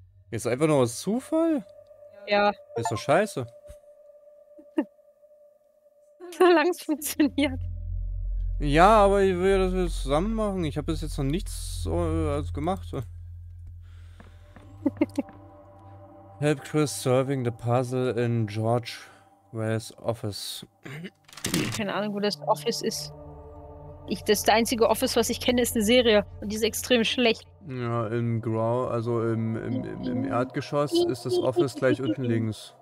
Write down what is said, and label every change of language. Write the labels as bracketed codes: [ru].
[de] Ist einfach nur aus Zufall? Ja. Ist doch scheiße. Solange es funktioniert. Ja, aber ich will ja, dass wir das zusammen machen. Ich habe bis jetzt noch nichts als gemacht. [en] Help Chris serving the puzzle in George Ware's office. [de] Keine Ahnung, wo das Office ist. Das ist der einzige Office, was ich kenne, ist eine Serie. Und die ist extrem schlecht. Ja, im Grau, also im Erdgeschoss ist das Office gleich unten links.